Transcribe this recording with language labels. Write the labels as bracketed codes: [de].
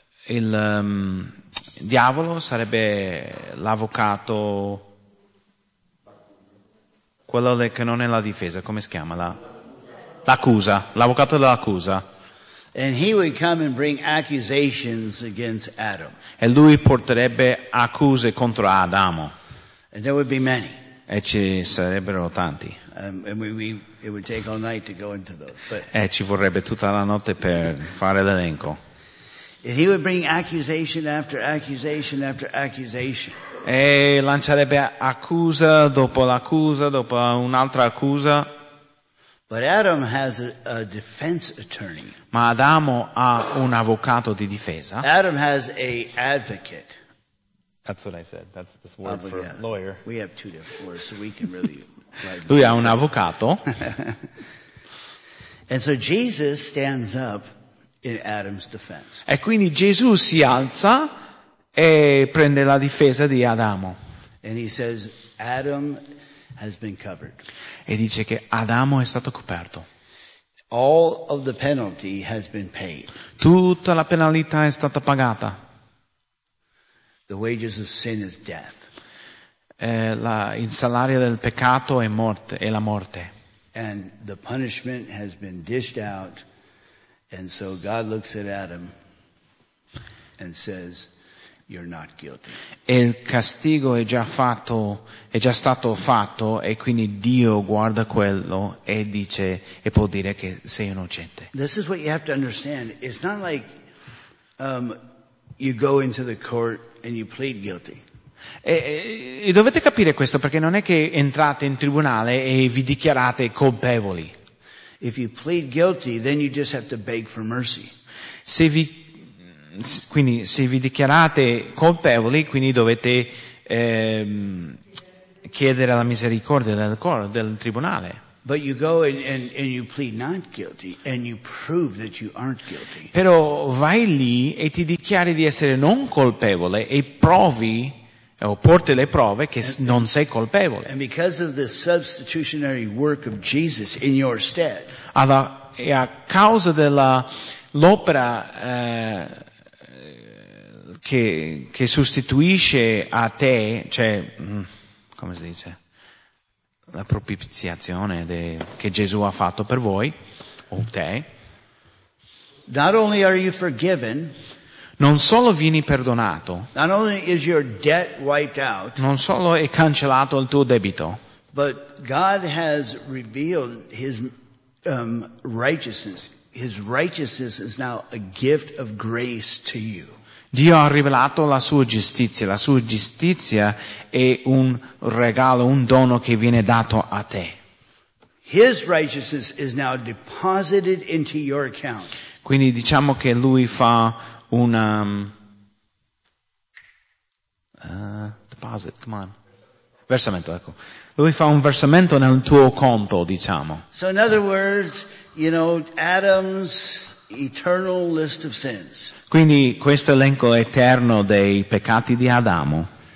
[it] Il diavolo sarebbe l'avvocato, quello che non è la difesa, come si chiama? L'accusa, l'avvocato dell'accusa. [en] And he would come and bring accusations against Adam. [it] E lui porterebbe accuse contro Adamo. [en] And there would be many. [it] E ci sarebbero tanti. [en] It would take all night to go into those. [it] E ci vorrebbe tutta la notte per fare l'elenco. [en] And he would bring accusation after accusation after accusation. [it] E lanciarebbe accusa dopo l'accusa dopo un'altra accusa. [en] But Adam has a defense attorney. [it] Ma Adamo ha un avvocato di difesa. [en] Adam has a advocate. That's what I said. That's this word for yeah. Lawyer. We have two different words, so we can really. [it] Lui ha un avvocato. [en] And so Jesus stands up in Adam's defense. [it] E quindi Gesù si alza e prende la difesa di Adamo. [en] And he says, Adam has been covered. [it] E dice che Adamo è stato coperto. [en] All of the penalty has been paid. [it] Tutta la penalità è stata pagata. [en] The wages of sin is death. [it] Il salario del peccato è la morte. [en] And the punishment has been dished out, and so God looks at Adam and says, you're not guilty. [it] E il castigo è già stato fatto e quindi Dio guarda quello e dice e può dire che sei innocente. [en] This is what you have to understand. It's not like you go into the court and you plead guilty. [it] E dovete capire questo perché non è che entrate in tribunale e vi dichiarate colpevoli. [en] If you plead guilty, then you just have to beg for mercy. [it] Se vi dichiarate colpevoli, dovete chiedere la misericordia del tribunale. [en] But you go and you plead not guilty and you prove that you aren't guilty. [it] Però vai lì e ti dichiari di essere non colpevole e provi o porti le prove che non sei colpevole. [en] And because of the substitutionary work of Jesus in your stead. [it] E a causa della l'opera che sostituisce a te, cioè come si dice, la propiziazione che Gesù ha fatto per voi o te, [en] not only are you forgiven, [it] non solo vieni perdonato, [en] not only is your debt wiped out, [it] non solo è cancellato il tuo debito, [en] but God has revealed his righteousness. His righteousness is now a gift of grace to you. [it] Dio ha rivelato la sua giustizia. La sua giustizia è un regalo, un dono che viene dato a te. [en] His righteousness is now deposited into your account. [it] Quindi diciamo che lui fa un deposit. [en] Come on. [it] versamento, ecco. Lui fa un versamento nel tuo conto, diciamo. [en] So in other words, you know, Adam's eternal list of sins. [it] Quindi questo elenco eterno dei peccati di Adamo